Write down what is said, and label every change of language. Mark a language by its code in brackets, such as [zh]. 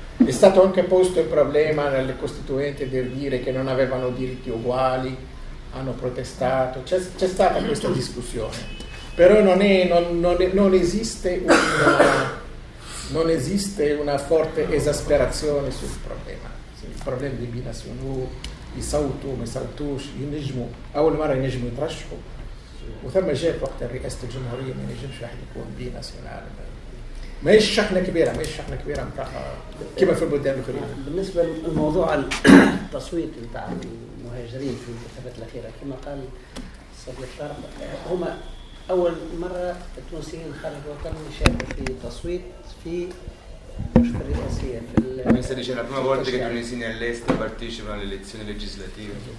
[it] È stato anche posto il problema nelle costituenti di dire che non avevano diritti uguali, hanno protestato, c'è stata questa discussione, però non esiste una forte esasperazione sul problema, il problema di binazionalità, [ar] يصوتوا ما يصوتوش ينجموا اول مره ينجموا يترشحوا وثم جاء وقت رئاسه الجمهوريه ما ينجمش واحد يكون دي ناسيونال ماهيش شحنه كبيره ماهيش شحنه كبيره نتاع كما في البلدان الاخرين. بالنسبه للموضوع التصويت نتاع المهاجرين في الانتخابات الاخيره كما قال صديق الطرف هما اول مره التونسيين خارج الوطن يشاركوا في تصويت في [it] Mi sta dicendo la prima volta che i tunisini all'estero partecipano alle elezioni legislative.